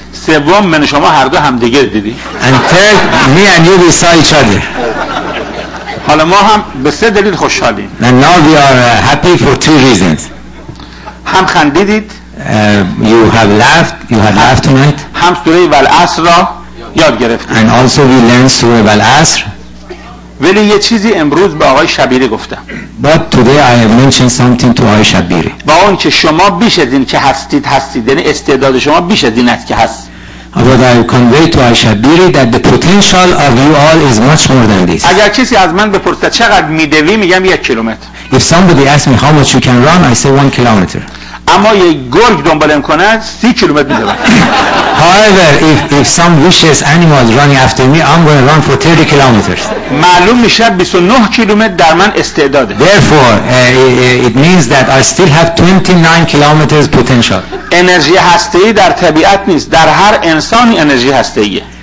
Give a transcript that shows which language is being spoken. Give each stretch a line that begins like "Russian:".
Persian: سوم، من شما هر دو همدیگه رو دیدی.
English: And third, me and you, we saw each other.
Persian: حالا ما هم به 3 دلیل خوشحالیم.
English: And now we are happy for 3 reasons.
Persian: هم خندیدید.
English: You have laughed. You have laughed tonight.
Persian: هم سوره والعصر را یاد گرفتید.
English: And also we learned سوره والعصر.
Persian: ولی یه چیزی امروز به آقای شبیری گفتم.
English: But today I have mentioned something to آقای شبیری.
Persian: با اون که شما بیش از این که هستید هستید، یعنی استعداد شما بیش از این است که هست.
English: But I convey to آقای شبیری that the potential of you all is much more than this.
Persian: اگر کسی از من بپرسه چقدر میدوی، میگم 1 کیلومتر.
English: If somebody asks me how much you can run, I say 1 kilometer.
Persian: اما یه گرگ دنبالم کنه 30 کیلومتر میدوه.
English: However, if some vicious animal is running after me, I'm going to run for 30 kilometers.
Persian: معلوم میشه 29 کیلومتر در من استعداده.
English: Therefore, it means that I still have 29 kilometers potential.
Persian: انرژی هسته‌ای در طبیعت نیست، در هر انسانی انرژی هسته‌ایه.